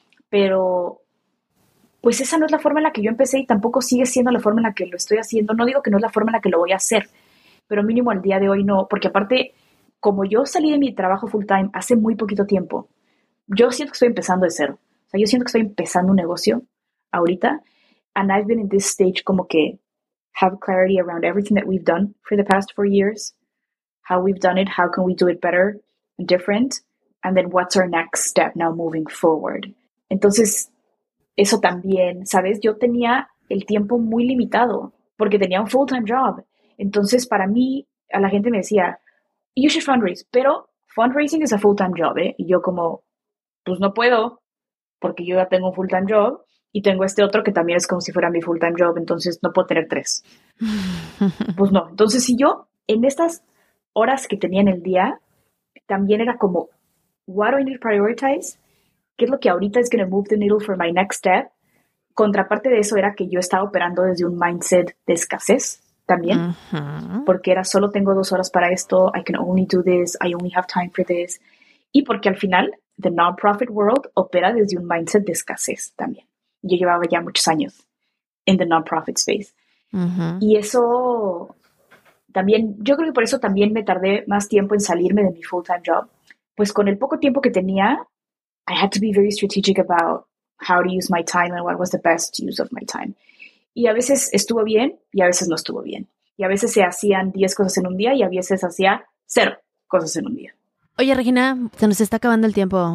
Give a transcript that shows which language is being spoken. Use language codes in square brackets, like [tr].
[es] Pero, pues esa no es la forma en la que yo empecé y tampoco sigue siendo la forma en la que lo estoy haciendo. No digo que no es la forma en la que lo voy a hacer, pero mínimo el día de hoy no. Porque aparte, como yo salí de mi trabajo full time hace muy poquito tiempo, yo siento que estoy empezando de cero. O sea, yo siento que estoy empezando un negocio ahorita. [en] And I've been in this stage [es] como que [en] have clarity around everything that we've done for the past 4 years. How we've done it, how can we do it better and different? And then what's our next step now moving forward? [es] Entonces, eso también, ¿sabes? Yo tenía el tiempo muy limitado porque tenía un full-time job. Entonces, para mí, a la gente me decía, [en] you should fundraise, [es] pero [en] fundraising is a full-time job, [es] ¿eh? Y yo como, pues no puedo porque yo ya tengo un full-time job y tengo este otro que también es como si fuera mi full-time job, entonces no puedo tener tres. Pues no. Entonces, si yo en estas horas que tenía en el día, también era como, [en] what do I need to prioritize? [es] ¿Qué es lo que ahorita [en] is going to move the needle for my next step? [es] Contraparte de eso era que yo estaba operando desde un mindset de escasez también, porque era solo tengo 2 horas para esto, [en] I can only do this, I only have time for this. [es] Y porque al final, [en] the non-profit world [es] opera desde un mindset de escasez también. Yo llevaba ya muchos años [en] in the non-profit space. [es] Y eso también, yo creo que por eso también me tardé más tiempo en salirme de mi full-time job. Pues con el poco tiempo que tenía, [en] I had to be very strategic about how to use my time and what was the best use of my time. [es] Y a veces estuvo bien y a veces no estuvo bien. Y a veces se hacían 10 cosas en un día y a veces hacía 0 cosas en un día. Oye, Regina, se nos está acabando el tiempo.